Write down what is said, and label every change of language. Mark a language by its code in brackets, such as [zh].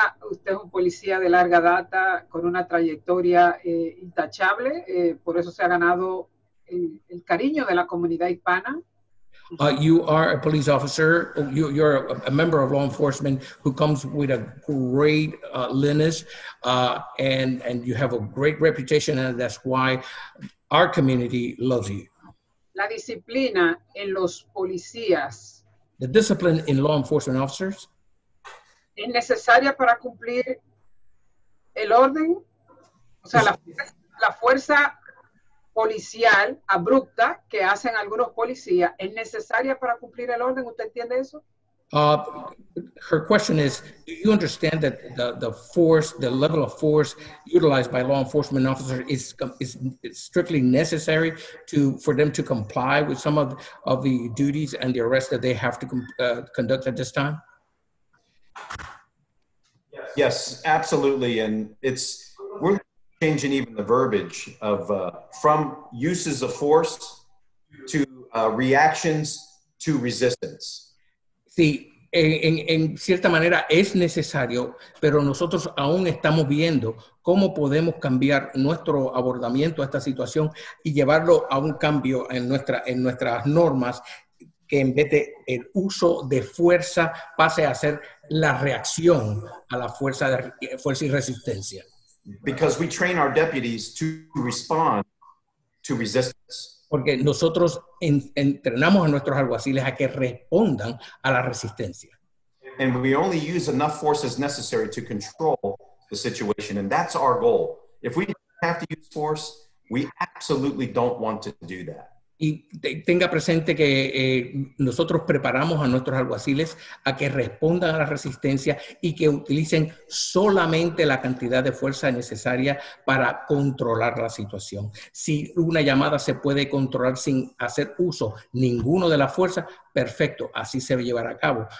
[es] Usted es un policía de larga data con una trayectoria intachable. Por eso se ha ganado el cariño de la comunidad hispana. [en] You are a police officer. You're a member of law enforcement who comes with a great lineage, and you have a great reputation, and that's why our community loves you. [es] La disciplina en los policías. [en] The discipline in law enforcement officers. [es] Es necesaria para cumplir el orden, o sea, la fuerza. Policial abrupta que hacen algunos policías es necesaria para cumplir el orden. ¿Usted entiende eso? [en] Her question is: do you understand that the level of force utilized by law enforcement officers is strictly necessary for them to comply with some of the duties and the arrests that they have to conduct at this time? Yes, absolutely, and we're changing even the verbiage of from uses of force to reactions to resistance. [es] Sí, en cierta manera es necesario, pero nosotros aún estamos viendo cómo podemos cambiar nuestro abordamiento a esta situación y llevarlo a un cambio en nuestras normas, que en vez de el uso de fuerza pase a ser la reacción a la fuerza y resistencia. [en] Because we train our deputies to respond to resistance. [es] Porque nosotros entrenamos a nuestros alguaciles a que respondan a la resistencia. [en] And we only use enough forces necessary to control the situation. And that's our goal. If we have to use force, we absolutely don't want to do that. [es] Y tenga presente que nosotros preparamos a nuestros alguaciles a que respondan a la resistencia y que utilicen solamente la cantidad de fuerza necesaria para controlar la situación. Si una llamada se puede controlar sin hacer uso ninguno de la fuerza, perfecto, así se va a llevar a cabo.